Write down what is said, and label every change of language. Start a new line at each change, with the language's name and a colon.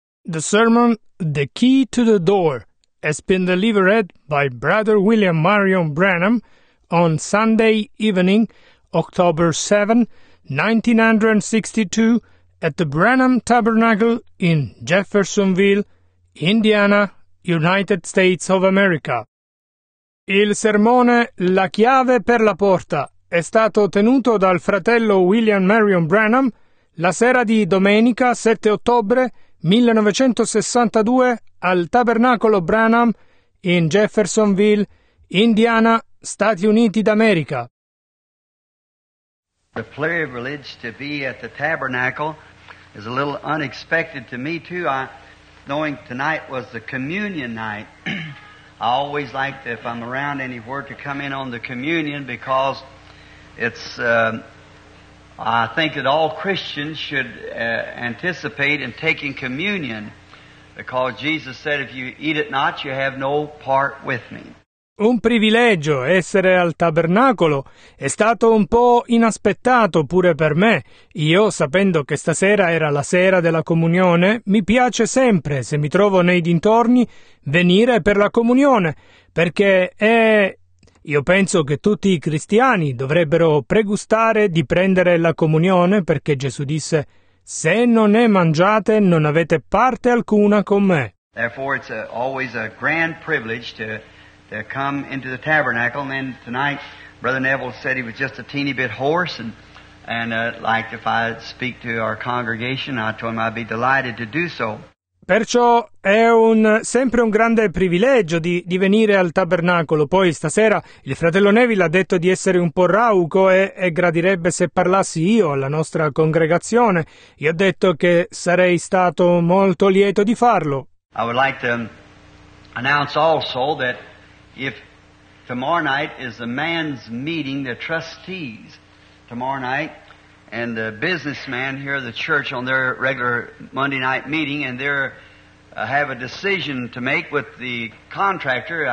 English: The sermon, The Key to the Door, has been delivered by Brother William Marion Branham on Sunday evening, October 7, 1962, at the Branham Tabernacle in Jeffersonville, Indiana, United States of America.
Italian: Il sermone La chiave per la porta è stato tenuto dal fratello William Marion Branham la sera di domenica 7 ottobre 1962 al Tabernacolo Branham in Jeffersonville, Indiana, Stati Uniti d'America.
English: The privilege to be at the tabernacle is a little unexpected to me too. I, knowing tonight was the communion night, I always like to, if I'm around anywhere, to come in on the communion because it's... I think that all Christians should anticipate in taking communion because Jesus said, if you eat it not, you have no part with me.
Italian: Un privilegio essere al tabernacolo è stato un po' inaspettato pure per me. Io, sapendo che stasera era la sera della comunione, mi piace sempre, se mi trovo nei dintorni, venire per la comunione, perché è... Io penso che tutti i cristiani dovrebbero pregustare di prendere la comunione perché Gesù disse «Se non ne mangiate, non avete parte alcuna con me».
English: Therefore it's always a grand privilege to come into the tabernacle. And then tonight Brother Neville said he was just a teeny bit hoarse and like if I speak to our congregation, I told him I'd be delighted to do so.
Italian: Perciò è sempre un grande privilegio di venire al tabernacolo. Poi stasera il fratello Neville ha detto di essere un po' rauco e gradirebbe se parlassi io alla nostra congregazione. Io ho detto che sarei stato molto lieto di farlo.
English: I would like to announce also that if tomorrow night is the man's meeting, the trustees, tomorrow night, and the businessmen here at the church on their regular Monday night meeting, and they have a decision to make with the contractor.